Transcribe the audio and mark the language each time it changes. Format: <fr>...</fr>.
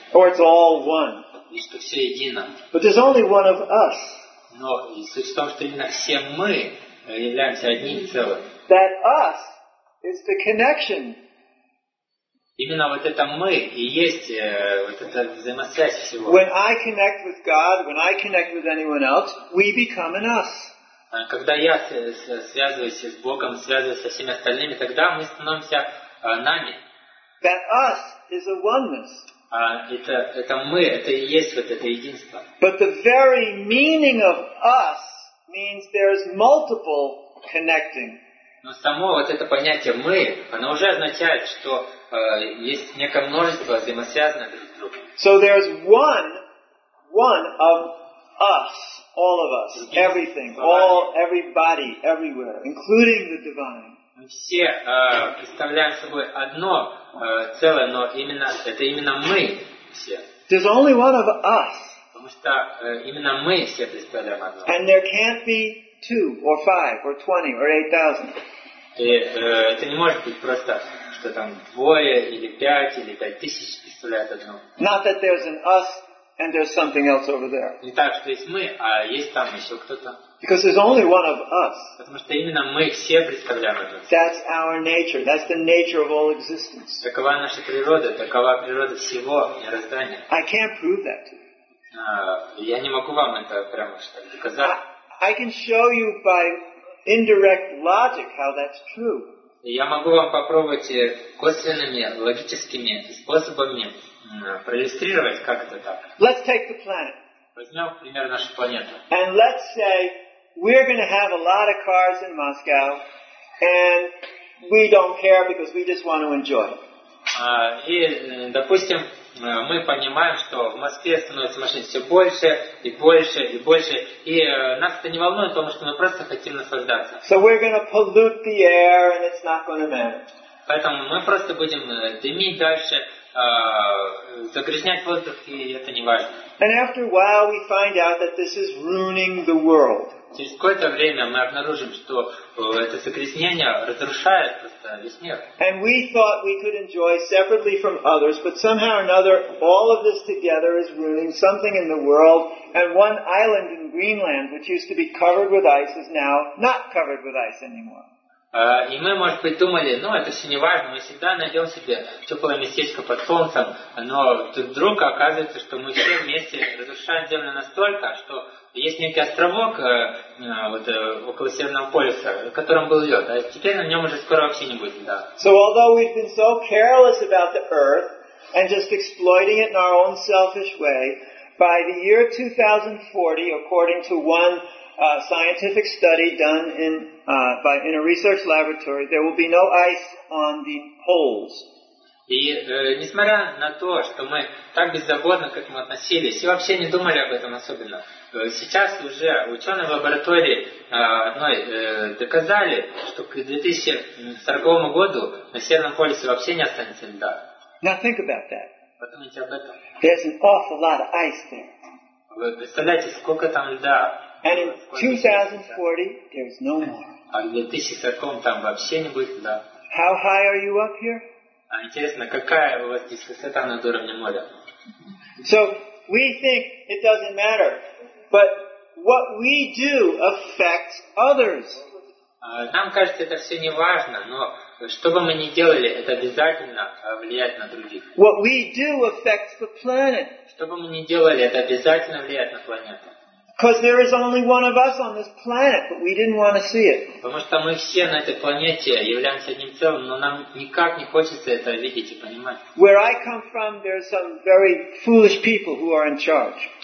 <en>Or it's all one.</en> <ru>И что все едино.</ru> <en>But there's only one of us.</en> <ru>Но суть в том, что именно все мы являемся одним целым.</ru> <en>That us is the connection.</en> <ru>Именно вот это мы и есть вот эта взаимосвязь всего.</ru> <en>When I connect with God, when I connect with anyone else, we become an us.</en> <ru>Когда я связываюсь с Богом, связываюсь со всеми остальными, тогда мы становимся нами.</ru> <en>That us is a oneness.</en> <ru>Это мы, это и есть вот это единство.</ru> <en>But the very meaning of us means there is multiple connecting.</en> <ru>Но само вот это понятие «мы», оно уже означает, что есть некое множество взаимосвязанных друг с другом.</ru> <en>So there is one of us, all of us, everything, all, everybody, everywhere, including the divine.</en> <ru>Мы все представляем собой одно целое, но именно это именно мы все.</ru> <en>There's only one of us.</en> <ru>Потому что именно мы все представляем одно.</ru> <en>And there can't be 2 or 5 or 20 or 8,000.</en> <ru>Это не может быть просто, что там двое или пять или пять тысяч представляют одно.</ru> <en>Not that there's an us and there's something else over there.</en> <ru>Не так, что есть мы, а есть там еще кто-то.</ru> <en>Because there's only one of us.</en> <ru>Потому что именно мы все представляем это.</ru> <en>That's our nature. That's the nature of all existence.</en> <ru>Такова наша природа. Такова природа всего мироздания.</ru> <en>I can't prove that to you.</en> <ru>Я не могу вам это прямо что-то доказать.</ru> <en>I can show you by indirect logic how that's true.</en> <ru>Я могу вам попробовать косвенными логическими способами проиллюстрировать, как это так.</ru> <en>Let's take the planet.</en> <ru>Возьмем, например, нашу планету.</ru> <en>And let's say we're going to have a lot of cars in Moscow, and we don't care because we just want to enjoy.</en> <ru>И, допустим, мы понимаем, что в Москве становится машин все больше и больше и больше, и нас это не волнует, потому что мы просто хотим наслаждаться.</ru> <en>So we're going to pollute the air, and it's not going to matter.</en> <ru>Поэтому мы просто будем дымить дальше, загрязнять воздух, и это не важно.</ru> <en>And after a while, we find out that this is ruining the world.</en> <ru>Через какое-то время мы обнаружим, что это загрязнение разрушает просто весь мир.</ru> <en>And we thought we could enjoy separately from others, but somehow or another, all of this together is ruining something in the world. And one island in Greenland, which used to be covered with ice, is now not covered with ice anymore.</en> <ru>И мы, может быть, думали, ну, это все не важно, мы всегда найдем себе теплое местечко под солнцем, но вдруг оказывается, что мы все вместе разрушаем Землю настолько, что есть некий островок вот, около Северного полюса, в котором был лед, а теперь на нем уже скоро вообще не будет льда.</ru> <en>So although we've been so careless about the Earth and just exploiting it in our own selfish way, by the year 2040, according to one scientific study done in a research laboratory, there will be no ice on the poles.</en> <ru>И несмотря на то, что мы так беззаботно к этому относились и вообще не думали об этом особенно, сейчас уже ученые в лаборатории одной доказали, что к 2040 году на Северном полюсе вообще не останется льда.</ru> <en>Now think about that.</en> <ru>Подумайте об этом.</ru> <en>There's an awful lot of ice there.</en> <ru>Вы представляете, сколько там льда?</ru> <en>And in 2040, there's no more.</en> <ru>А в 2040 там вообще не будет льда.</ru> <en>How high are you up here?</en> <ru>А интересно, какая у вас здесь высота над уровнем моря?</ru> <en>So we think it doesn't matter, but what we do affects others.</en> <ru>Нам кажется, это все не важно, но что бы мы ни делали, это обязательно влияет на других.</ru> <en>What we do affects the planet.</en> <ru>Что бы мы ни делали, это обязательно влияет на планету.</ru> <en>Because there is only one of us on this planet, but we didn't want to see it.</en> <ru>Потому что мы все на этой планете являемся одним целым, но нам никак не хочется это видеть и понимать.</ru> <en>Where I come from, there are some very foolish people who are in charge.</en>